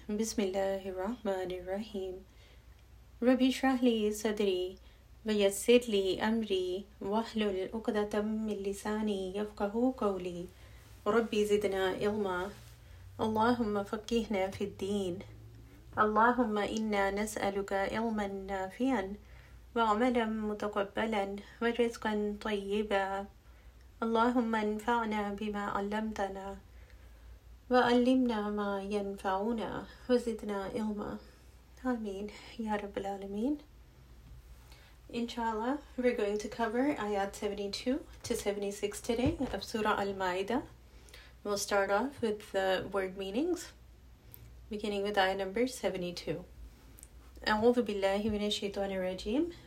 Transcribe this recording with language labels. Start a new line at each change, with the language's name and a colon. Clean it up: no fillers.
Arabic: بسم الله الرحمن الرحيم. رب اشرح لي صدري ويسر لي أمري واحلل عقدة من لساني يفقه قولي ربي زدنا علما اللهم فقهنا في الدين اللهم إنا نسألك علما نافعا وعملا متقبلا ورزقا طيبا. اللهم انفعنا بما علمتنا وعلمنا ما ينفعنا وزدنا علما. آمين يا رب العالمين.
English: Inshallah, we're going to cover ayat 72-76 today of Surah Al-Ma'idah. We'll start off with the word meanings. Beginning with ayah number 72.
Arabic: أعوذ بالله من الشيطان الرجيم.